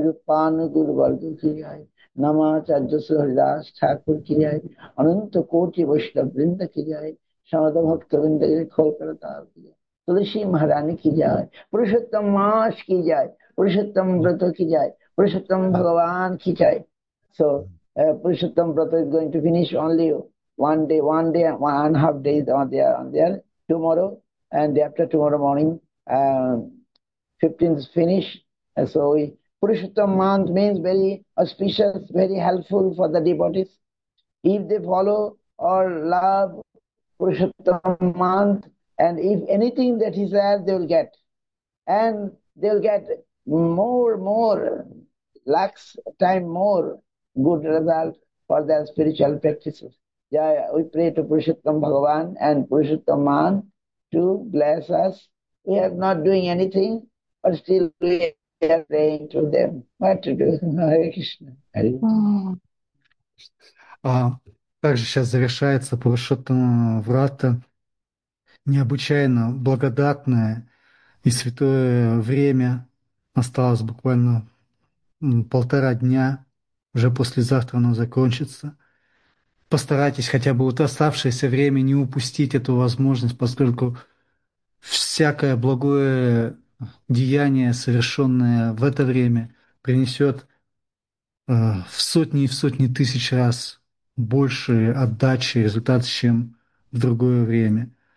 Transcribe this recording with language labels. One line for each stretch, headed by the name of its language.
Hindi: पान गुरु वर्ग किया नमाचार्य श्री हरिदास ठाकुर किया अनंत कोटि वैष्णव वृंद की जाए समद भक्त वृंद खोल कर तार किया तुलसी महारानी की जाए पुरुषोत्तम मास की जाए पुरुषोत्तम व्रत की जाए पुरुषोत्तम भगवान की जाए
English: So, Purushottam Prata is going to finish only one day, 1.5 days on there, tomorrow, and after tomorrow morning, 15th finish. And so, Purushottam month means very auspicious, very helpful for the devotees. If they follow or love Purushottam month, and if anything that is there, they will get. And they will get more, lakhs time more. Good result for their spiritual practices. Yeah, we pray to Purushottam Bhagavan and Purushottam Man to bless us. We are not doing anything, but still we are praying to them. What to do? Hare Krishna. Hare Krishna.
Russian: Также сейчас завершается Пурушоттама Врата. Необычайно благодатное и святое время. Осталось буквально полтора дня. Уже послезавтра оно закончится. Постарайтесь хотя бы вот оставшееся время не упустить эту возможность, поскольку всякое благое деяние, совершенное в это время, принесет в сотни тысяч раз больше отдачи, результат, чем в другое время.